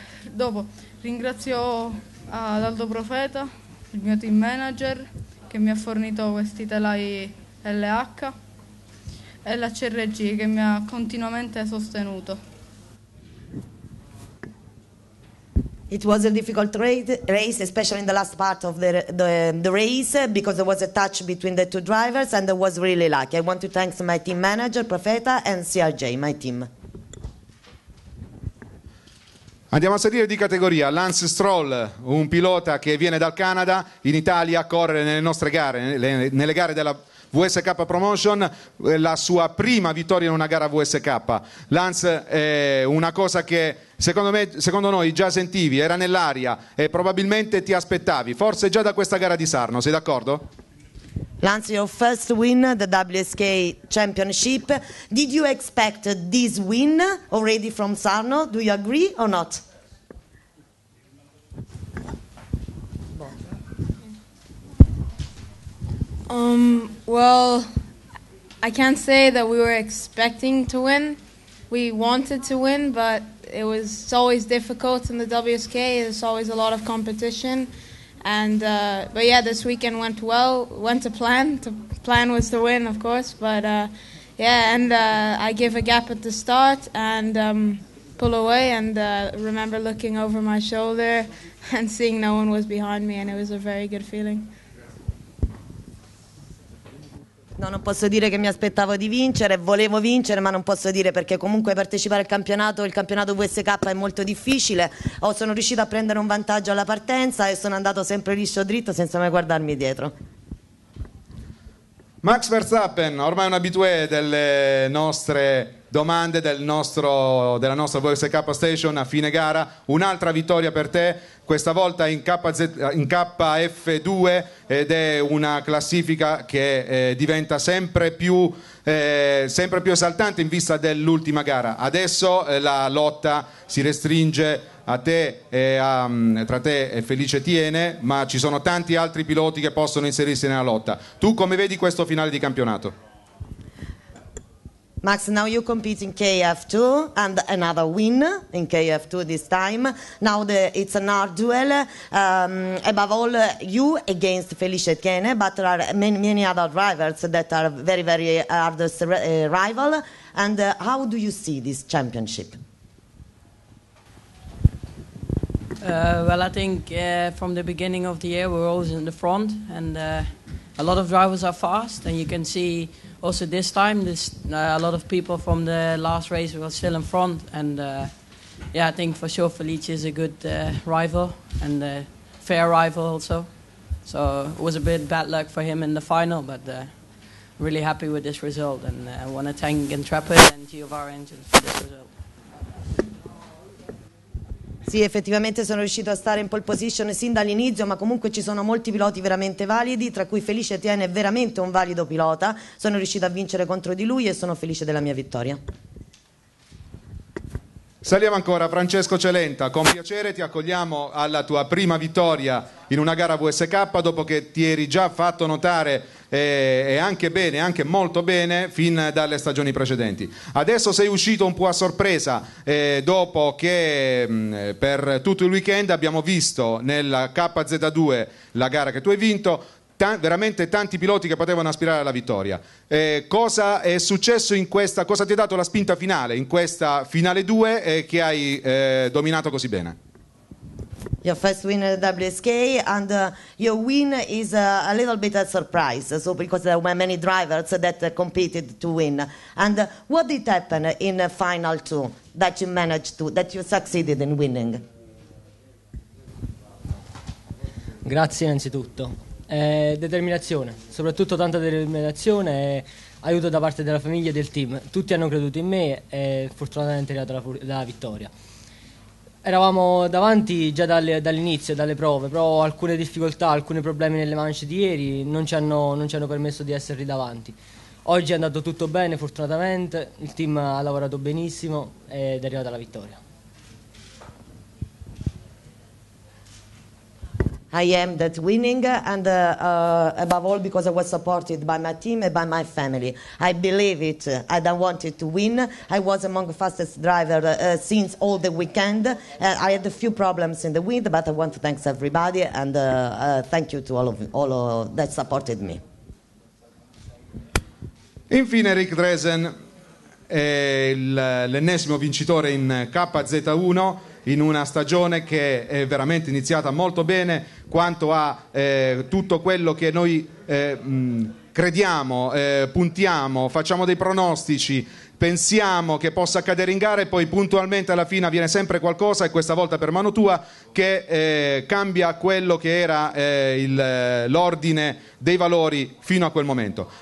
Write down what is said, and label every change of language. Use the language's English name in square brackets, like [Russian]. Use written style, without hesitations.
[Italian] Dopo ringrazio ad Aldo Profeta, il mio team manager, che mi ha fornito questi telai LH, e la CRG che mi ha continuamente sostenuto. [English] It was a difficult race, especially in the last part of the race, because there was a touch between the two drivers and I was really lucky. I want to thank my team manager, Profeta, and CRJ, my team. [Italian] Andiamo a salire di categoria. Lance Stroll, un pilota che viene dal Canada, in Italia corre nelle nostre gare, nelle gare della WSK Promotion, la sua prima vittoria in una gara WSK. Lance, è una cosa che secondo noi già sentivi, era nell'aria e probabilmente ti aspettavi, forse già da questa gara di Sarno, sei d'accordo? [English] Lance, your first win, the WSK Championship. Did you expect this win already from Sarno? Do you agree or not? Well, I can't say that we were expecting to win. We wanted to win, but it was always difficult in the WSK. There's always a lot of competition. But this weekend went well, went to plan. The plan was to win, of course, but I gave a gap at the start and pull away, and remember looking over my shoulder and seeing no one was behind me, and it was a very good feeling. [Italian] No, non posso dire che mi aspettavo di vincere, volevo vincere, ma non posso dire, perché comunque partecipare al campionato, il campionato WSK, è molto difficile. Sono riuscito a prendere un vantaggio alla partenza e sono andato sempre liscio dritto senza mai guardarmi dietro. Max Verstappen, ormai un abitué delle nostre domande, della nostra WSK Station a fine gara, un'altra vittoria per te, questa volta in KF2, ed è una classifica che diventa sempre più esaltante in vista dell'ultima gara. Adesso la lotta si restringe a te e tra te e Felice Tiene, ma ci sono tanti altri piloti che possono inserirsi nella lotta. Tu come vedi questo finale di campionato? [English] Max, now you compete in KF2 and another win in KF2 this time. Now it's an hard duel, above all you against Felice Tiene, but there are many other drivers that are very, very hard rival. And how do you see this championship? Well, I think from the beginning of the year we're always in the front, and a lot of drivers are fast, and you can see also this time a lot of people from the last race were still in front, and I think for sure Felice is a good rival and a fair rival also, so it was a bit bad luck for him in the final, but really happy with this result, and I want to thank Intrepid and Giovara Engine for this result. [Italian] Sì, effettivamente sono riuscito a stare in pole position sin dall'inizio, ma comunque ci sono molti piloti veramente validi, tra cui Felice Tiene è veramente un valido pilota. Sono riuscito a vincere contro di lui e sono felice della mia vittoria. Saliamo ancora, Francesco Celenta, con piacere ti accogliamo alla tua prima vittoria in una gara WSK, dopo che ti eri già fatto notare e anche bene, anche molto bene, fin dalle stagioni precedenti. Adesso sei uscito un po' a sorpresa, dopo che per tutto il weekend abbiamo visto nella KZ2 la gara che tu hai vinto, veramente tanti piloti che potevano aspirare alla vittoria. Cosa è successo in questa, cosa ti ha dato la spinta finale in questa finale 2 che hai dominato così bene? [English] Your first win at WSK, and your win is a little bit a surprise, so because there were many drivers that competed to win. And what did happen in the final two that you managed to, that you succeeded in winning? [Italian] Grazie innanzitutto. Determinazione, soprattutto tanta determinazione e aiuto da parte della famiglia e del team. Tutti hanno creduto in me e fortunatamente è arrivata la vittoria. Eravamo davanti già dall'inizio, dalle prove, però alcune difficoltà, alcuni problemi nelle manche di ieri non ci hanno permesso di essere lì davanti. Oggi è andato tutto bene, fortunatamente, il team ha lavorato benissimo ed è arrivata la vittoria. [English] I am that winning, and above all because I was supported by my team and by my family. I believe it, and I wanted to win. I was among the fastest driver since all the weekend. I had a few problems in the wind, but I want to thank everybody, and thank you to all of that supported me. [Italian] Infine, Rick Dresen è l'ennesimo vincitore in KZ1. In una stagione che è veramente iniziata molto bene, quanto a tutto quello che noi crediamo, puntiamo, facciamo dei pronostici, pensiamo che possa accadere in gara e poi puntualmente alla fine avviene sempre qualcosa, e questa volta per mano tua, che cambia quello che era l'ordine dei valori fino a quel momento.